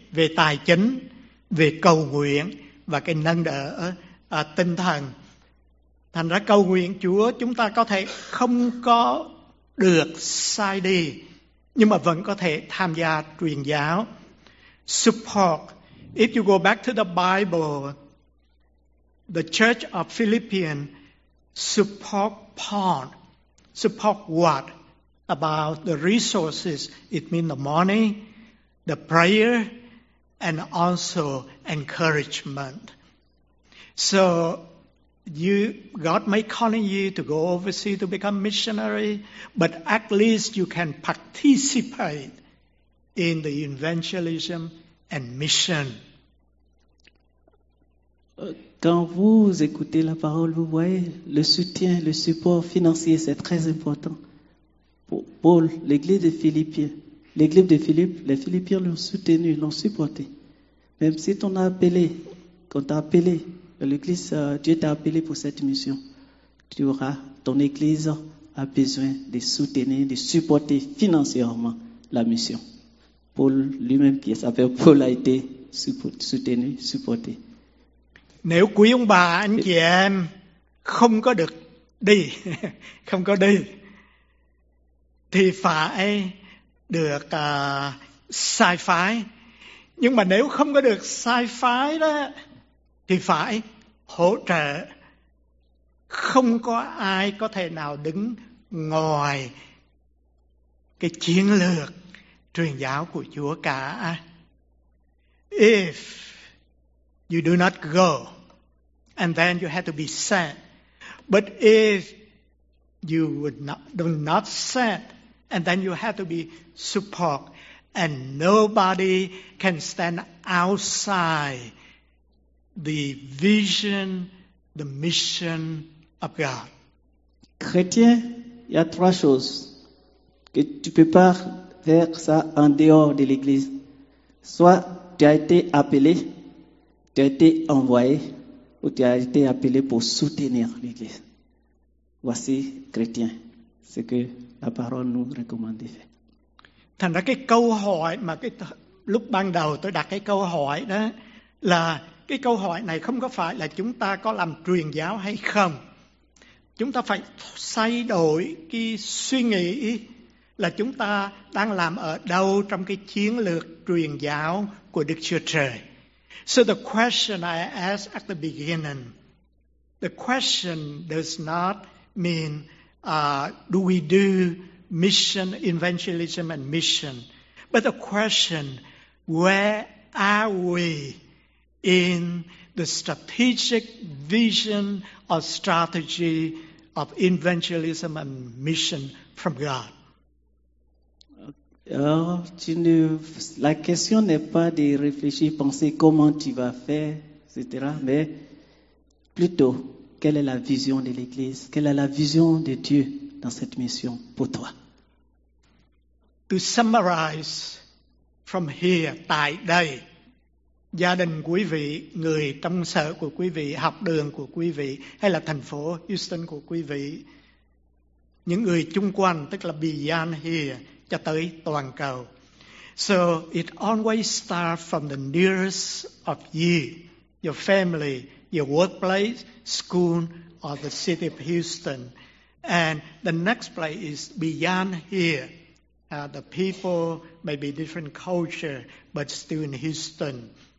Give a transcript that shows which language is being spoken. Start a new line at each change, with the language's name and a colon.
Vietnamese: Về tài chính, về cầu nguyện và cái nâng đỡ tinh thần. Thành ra cầu nguyện Chúa chúng ta có thể không có được sai đi, nhưng mà vẫn có thể tham gia truyền giáo.
English: Support. If you go back to the Bible, the Church of Philippians support Paul. Support what? About the resources. It means the money, the prayer, and also encouragement. So you, God may call you to go overseas to become missionary, but at least you can participate in the evangelism and mission.
French: Quand vous écoutez la parole, vous voyez le soutien, le support financier, c'est très important. Pour Paul, l'église de Philippiens, l'église de Philippe, les Philippiens l'ont soutenu, l'ont supporté. Même si on a appelé, quand t'as appelé, l'église, Dieu t'a appelé pour cette mission, tu auras, ton église a besoin de soutenir, de supporter financièrement la mission. Paul lui-même, qui s'appelle Paul, a été soutenu, supporté.
Vietnamese: Nếu quý ông bà, anh chị em không có được đi, không có đi, thì phải được sai phái. Nhưng mà nếu không có được sai phái đó, thì phải hỗ trợ. Không có ai có thể nào đứng ngoài cái chiến lược truyền giáo của Chúa cả.
English: If you do not go, and then you have to be sent. But if you would not, do not send, and then you have to be support, and nobody can stand outside the vision, the mission of God.
French: Chrétien, il y a trois choses que tu peux pas faire ça en dehors de l'église. Soit tu as été appelé, tu as été envoyé, ou tu as été appelé pour soutenir l'église. Voici, chrétien, ce que la parole nous recommande de faire.
Vietnamese: Thành ra cái câu hỏi mà cái lúc ban đầu tôi đặt cái câu hỏi đó là cái câu hỏi này không có phải là chúng ta có làm truyền giáo hay không. Chúng ta phải thay đổi cái suy nghĩ là chúng ta đang làm ở đâu trong cái chiến lược truyền giáo của Đức Chúa Trời.
English: So the question I asked at the beginning, the question does not mean do we do mission, evangelism and mission, but the question, where are we in the strategic vision or strategy of evangelism and mission from God?
French: La question n'est pas de réfléchir, penser comment tu vas faire, etc. Mais plutôt, quelle est la vision de l'Église? Quelle est la vision de Dieu dans cette mission pour toi?
English: To summarize from here,
Vietnamese: tại đây, gia đình quý vị, người trong sở của quý vị, học đường của quý vị, hay là thành phố Houston của quý vị, những người chung quanh, tức là
English: beyond here,
Vietnamese: cho tới toàn cầu.
English: So it always starts from the nearest of you, your family, your workplace, school, or the city of Houston. And the next place is beyond here. The people may be different culture, but still in Houston.